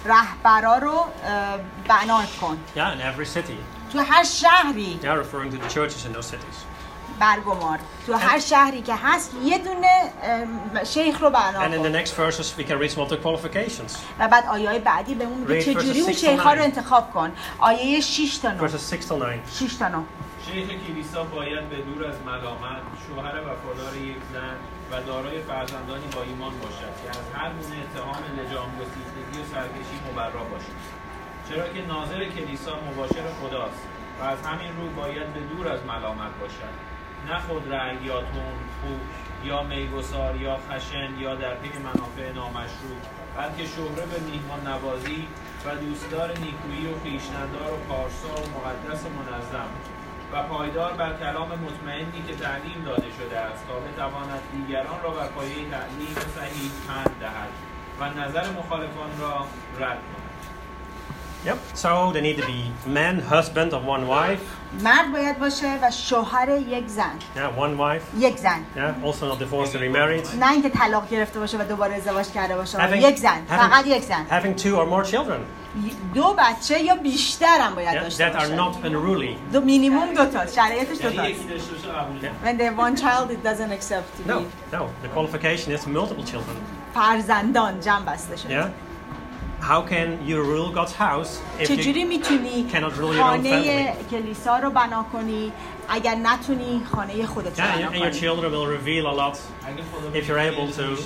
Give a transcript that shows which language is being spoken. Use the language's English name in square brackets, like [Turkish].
[English] Yeah, in every city. They are referring to the churches in those cities. [Persian] برگمار تو هر شهری که هست یه دونه شیخ رو برنامه. [English] And in the next verses we can read some of the qualifications. [Persian] و بعد آیه بعدی به اون میگه چه جوری اون شیخا رو انتخاب کن. آیه 6 تا 9. [English] Verses 6 to 9. [Persian] 6 تا 9. شیخ کلیسا باید به دور از ملامت، شوهر وفادار یک زن و دارای فرزندانی با ایمان باشد که از هر گونه اتهام لجام گسیختگی و سرکشی مبرا باشد. چرا که ناظر کلیسا مباشر خداست و از همین رو باید به دور از ملامت باشد. نه خود رأی یا تون خوک یا میگسار یا خشن یا در پی منافع نامشروع، بلکه شهره به میهمان نوازی و دوستدار نیکویی و خویشتندار و پارسا و مقدس و منظم و پایدار بر کلام مطمئنی که تعلیم داده شده است، تا بتواند دیگران را بر پایه تعلیم صحیح پند دهد و نظر مخالفان را رد کند. [English] Yep. So they need to be man, husband of one wife. [Persian] مرد باید باشه و شوهر یک زن. [English] Yeah, one wife. [Persian] یک زن. [English] Yeah, also not divorced or remarried. [Persian] نه اینکه طلاق گرفته باشه و دوباره ازدواج کرده باشه. یک زن. فقط یک زن. [English] Having two or more children. [Persian] دو بچه یا بیشتر هم باید داشته باشه. [English] That are not unruly. [Persian] دو مینیمم دو تا. شرایطش دو تا. [English] When they have one child, it doesn't accept to be. No. The qualification is multiple children. [Persian] فرزندان جمع بسته شده. [English] Yeah. How can you rule God's house if [Persian] چجوری [English] you cannot rule your own family? [Persian] کلیسا رو بنا کنی اگر نتونی خانه خودت رو بنا کنی. [English] And your children will reveal a lot if you're able to.